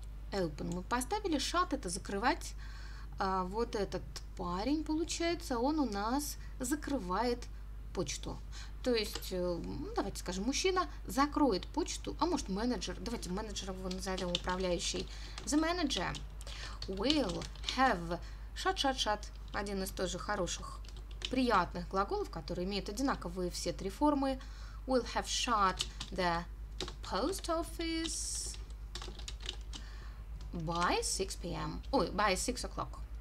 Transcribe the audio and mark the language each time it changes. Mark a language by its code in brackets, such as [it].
[ru] Open мы поставили. Shut это закрывать. Вот этот парень, получается, он у нас закрывает почту. То есть, давайте скажем, мужчина закроет почту, а может менеджер, давайте менеджера его назовем управляющий. [en] The manager will have shut. [ru] Один из тоже хороших, приятных глаголов, которые имеют одинаковые все три формы. [en] Will have shut the post office by 6 p.m. [ru] Ой, [en] by 6 o'clock.